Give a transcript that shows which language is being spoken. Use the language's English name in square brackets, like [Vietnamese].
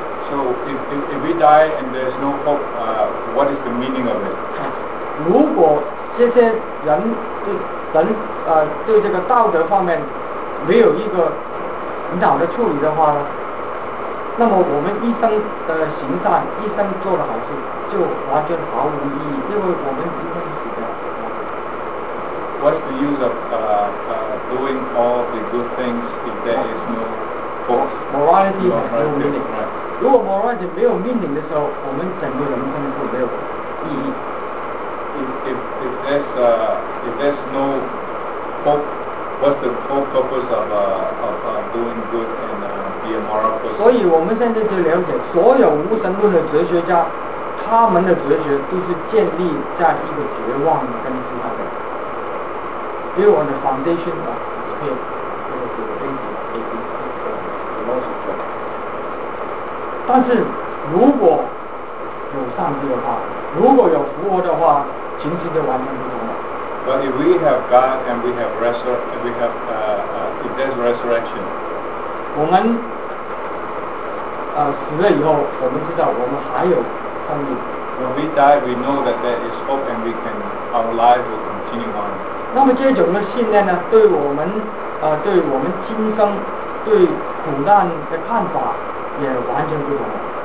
[English] So if we die and there's no hope, what is the meaning of it? [Chinese] 如果这些人对人对这个道德方面没有一个很好的处理的话呢，那么我们一生的行善，一生做的好事，就完全毫无意义，因为我们一定是死掉。 [English] What's the use of doing all the good things if there is no hope? Morality has no meaning. [Chinese] 如果 morality 没有 meaning 的时候，我们整个人生就没有意义。 [English] If there's no hope, what's the whole purpose of doing good and be a moral person? [Chinese] 所以我们现在就了解，所有无神论的哲学家，他们的哲学都是建立在一个绝望的根基上的。 [English] Build on the foundation of despair. [Chinese] 这个是根基，根基是philosophy。但是如果有上帝的话，如果有复活的话。形式就完全不同了。 [English] But if we have God and we have if there's resurrection, [Chinese] 我们死了以后，我们知道我们还有生命。 [English] When we die, we know that there is hope and our life will continue on. [Chinese] 那么这种的信念呢，对我们对我们今生对苦难的看法也完全不同了。